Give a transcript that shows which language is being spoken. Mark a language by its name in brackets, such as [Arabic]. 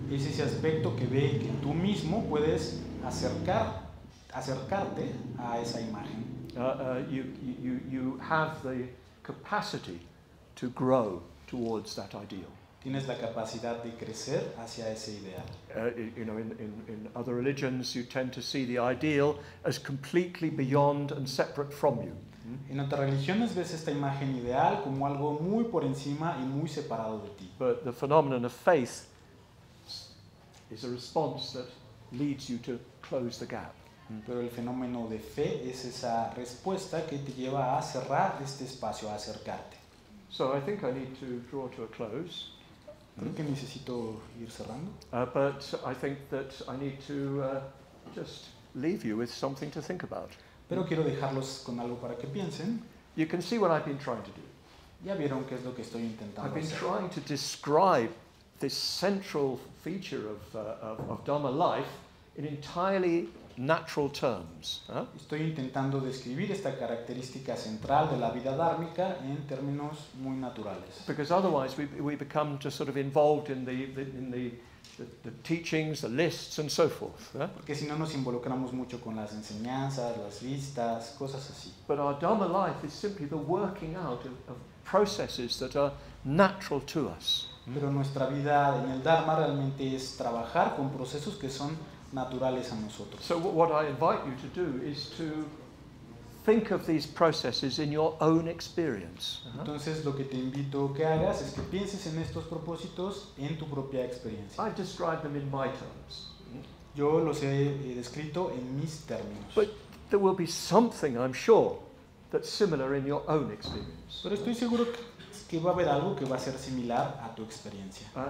[Spanish] Es ese aspecto que ve que tú mismo puedes acercarte a esa imagen. [English] you have the capacity to grow towards that ideal. [Spanish] Tienes la capacidad de crecer hacia ese ideal. [English] You know, in other religions, you tend to see the ideal as completely beyond and separate from you. [Spanish] En otras religiones ves esta imagen ideal como algo muy por encima y muy separado de ti. [English] But the phenomenon of faith is a response that leads you to close the gap. [Spanish] Pero el fenómeno de fe es esa respuesta que te lleva a cerrar este espacio, a acercarte. [English] So I think I need to draw to a close. [Spanish] Creo que necesito ir cerrando. [English] But I think that I need to just leave you with something to think about. [Spanish] Pero quiero dejarlos con algo para que piensen. [English] You can see what I've been trying to do. [Spanish] Ya vieron qué es lo que estoy intentando hacer. [English] I've been trying to describe this central feature of Dharma life in entirely natural terms. [Spanish] Estoy intentando describir esta característica central de la vida dármica en términos muy naturales. [English] Because otherwise we become just sort of involved in the teachings, the lists, and so forth. [Spanish] Porque si no nos involucramos mucho con las enseñanzas, las listas, cosas así. [English] But our Dharma life is simply the working out of processes that are natural to us. [Spanish] Pero nuestra vida en el Dharma realmente es trabajar con procesos que son naturales a nosotros. [English] So what I invite you to do is to think of these processes in your own experience. [Spanish] Entonces lo que te invito a que hagas es que pienses en estos propósitos en tu propia experiencia. [English] I've described them in my terms. [Spanish] Yo los he descrito en mis términos. [English] But there will be something, I'm sure, that's similar in your own experience. [Spanish] Pero estoy seguro que va a haber algo que va a ser similar a tu experiencia.